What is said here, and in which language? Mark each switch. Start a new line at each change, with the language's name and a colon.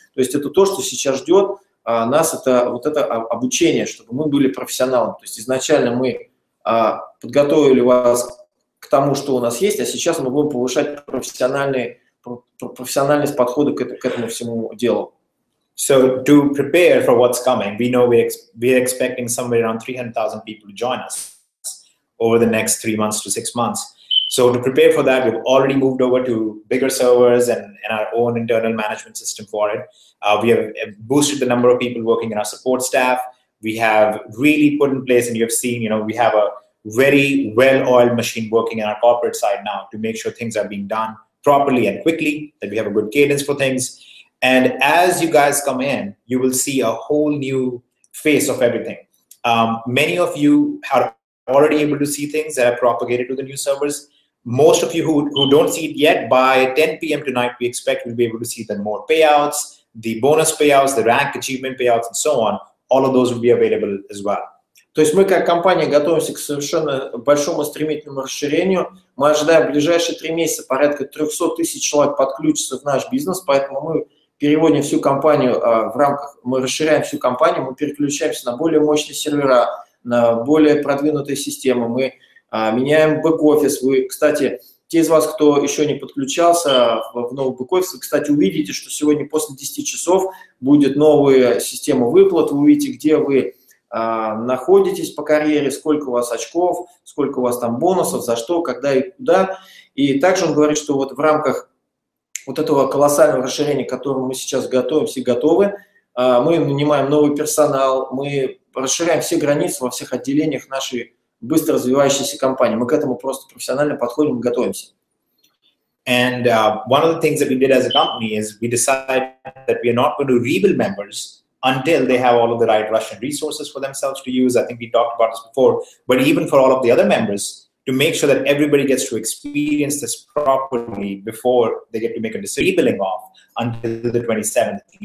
Russian: То есть, это то, что сейчас ждет нас, это вот это обучение, чтобы мы были профессионалами. То есть, изначально мы подготовили вас к тому, что у нас есть, а сейчас мы будем повышать профессиональность подхода к этому всему делу.
English: So to prepare for what's coming, we know we're expecting somewhere around 300,000 people to join us over the next 3 months to 6 months. So to prepare for that, we've already moved over to bigger servers and our own internal management system for it. We have boosted the number of people working in our support staff. We have really put in place, and you have seen, you know, we have a very well-oiled machine working in our corporate side now to make sure things are being done properly and quickly, that we have a good cadence for things. And as you guys come in, you will see a whole new face of everything. Many of you are already able to see things that are propagated to the new servers. Most of you who don't see it yet, by 10 p.m. tonight, we expect we'll be able to see the more payouts, the bonus payouts, the rank achievement payouts, and so on. All of those will be available as well.
Russian: То есть мы как компания готовимся к совершенно большому стремительному расширению. Мы ожидаем в ближайшие 3 месяца порядка 300 тысяч человек подключиться в наш бизнес, поэтому мы переводим всю компанию в рамках, мы расширяем всю компанию, мы переключаемся на более мощные сервера, на более продвинутые системы, мы меняем бэк-офис. Вы, кстати, те из вас, кто еще не подключался в новый бэк-офис, вы, кстати, увидите, что сегодня после 10 часов будет новая система выплат, вы увидите, где вы находитесь по карьере, сколько у вас очков, сколько у вас там бонусов, за что, когда и куда. И также он говорит, что вот в рамках вот этого колоссального расширения, к которому мы сейчас готовимся и готовы, мы нанимаем новый персонал, мы расширяем все границы во всех отделениях нашей быстро развивающейся компании. Мы к этому просто профессионально подходим и готовимся.
English: And one of the things that we did as a company is we decided that we are not going to rebuild members until they have all of the right Russian resources for themselves to use. I think we talked about this before. But even for all of the other members, to make sure that everybody gets to experience this properly before they get to make a decision rebuilding off until the 27th.